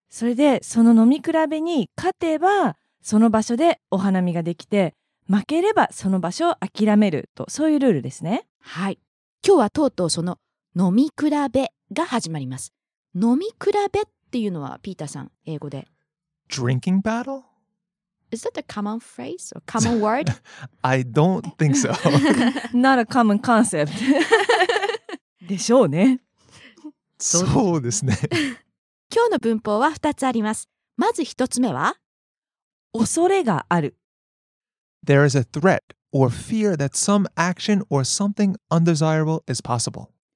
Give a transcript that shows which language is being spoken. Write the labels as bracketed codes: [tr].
[ja] それでその飲み比べに勝てばその場所でお花見ができて、負ければその場所を諦めると、そういうルールですね。はい。今日はとうとうその飲み比べが始まります。飲み比べっていうのはピーターさん、英語で [en] Drinking battle? Is that a common phrase or common word? I don't think so. Not a common concept. [ja] でしょうね。そうですね。今日の文法は2つあります。まず1つ目は恐れがある。 [en] There is a threat or fear that some action or something undesirable is possible.